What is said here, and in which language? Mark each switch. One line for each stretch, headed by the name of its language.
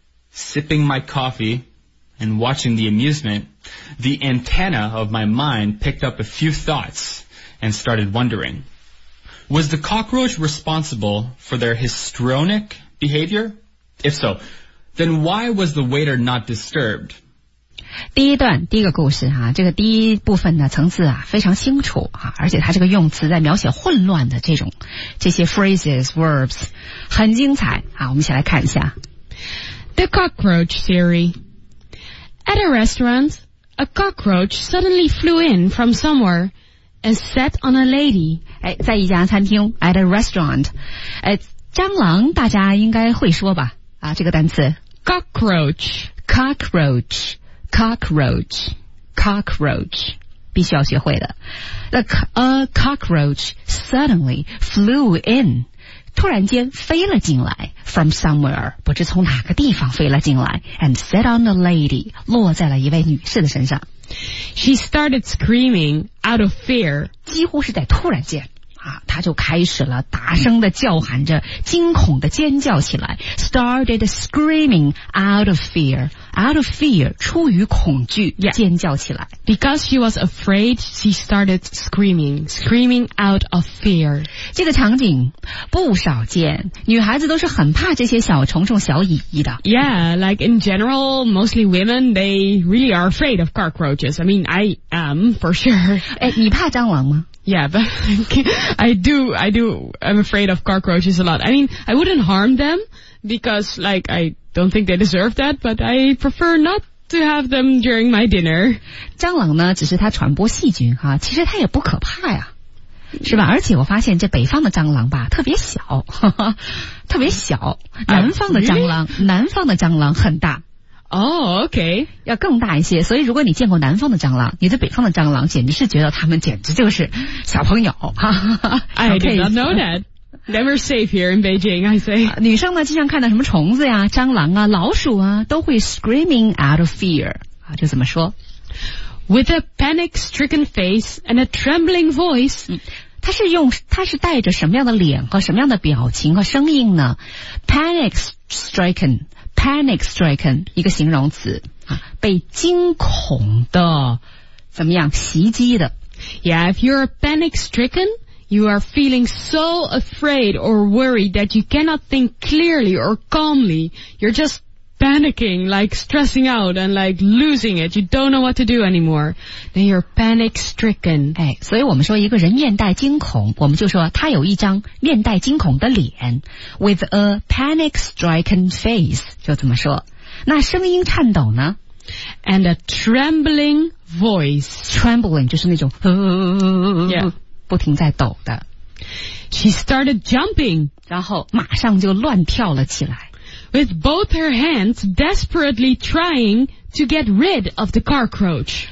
English: Sipping my coffee... And watching the amusement, the antenna of my mind picked up a few thoughts and started wondering. Was the cockroach responsible for their histrionic behavior? If so, then why was the waiter not disturbed?
Chinese: 第一段第一个故事啊，这个第一部分呢层次啊非常清楚啊，而且它这个用词在描写混乱的这些
English: phrases, verbs,
Chinese: 很精彩啊，我们一起来看一下。
English: The cockroach theory. At a restaurant, a cockroach suddenly flew in from somewhere and sat on a lady.
Chinese: 在一家餐厅 ,
English: at a restaurant.
Chinese: 蟑螂大家应该会说吧啊，这个单词。
English: Cockroach. Cockroach. Cockroach. Cockroach.
Chinese: 必须要学会的。
English: A cockroach suddenly flew in.
Chinese: 突然间飞了进来 ,
English: from somewhere,
Chinese: 不知从哪个地方飞了进来 ,
English: and sat on a lady,
Chinese: 落在了一位女士的身上。
English: She started screaming out of fear.
Chinese: 几乎是在突然间啊，她就开始了大声的叫喊着惊恐的尖叫起来 ,
English: started screaming out of fear,
Chinese: out of fear, 出于恐惧、
English: yeah.
Chinese: 尖叫起来。
English: Because she was afraid, she started screaming out of fear.
Chinese: 这个场景不少见，女孩子都是很怕这些小虫虫小蚁蚁的。
English: Yeah, like in general, mostly women, they really are afraid of cockroaches. I mean, I am for sure.
Chinese: 你怕蟑螂吗？
English: Yeah, but I do. I'm afraid of cockroaches a lot. I mean, I wouldn't harm them because, like, I don't think they deserve that, but I prefer not to have them during my dinner.
Chinese: 蟑螂呢，只是它传播细菌哈，其实它也不可怕呀，是吧？而且我发现这北方的蟑螂吧，特别小，特别小。南方的蟑螂，南方的蟑螂很大。
English: Oh, okay.
Chinese: 要更大一些，所以如果你见过南方的蟑螂，你对北方的蟑螂简直是觉得他们简直就是小朋友。
English: I did not know that. Never safe here in Beijing, I say.
Chinese: 女生呢，经常看到什么虫子呀、蟑螂啊、老鼠啊，都会
English: screaming out of fear.
Chinese: 啊，就怎么说
English: ？With a panic-stricken face and a trembling voice.、
Chinese: 他是带着什么样的脸和什么样的表情和声音呢 ？Panic-stricken. Panic-stricken, 一个形容词、啊、被惊恐的怎么样袭击的
English: Yeah, if you're panic-stricken, you are feeling so afraid or worried that you cannot think clearly or calmly. You're just panicking, like stressing out and like losing it. You don't know what to do anymore. Then you're panic-stricken.
Chinese: 所以我们说一个人面带惊恐，我们就说他有一张面带惊恐的脸 ,
English: with a panic-stricken face.
Chinese: 就怎么说那声音颤抖呢
English: and a trembling voice
Chinese: trembling 就是那种
English: 、yeah.
Chinese: 不停在抖的
English: She started jumping.
Chinese: 然后马上就乱跳了起来。
English: With both her hands desperately trying to get rid of the cockroach.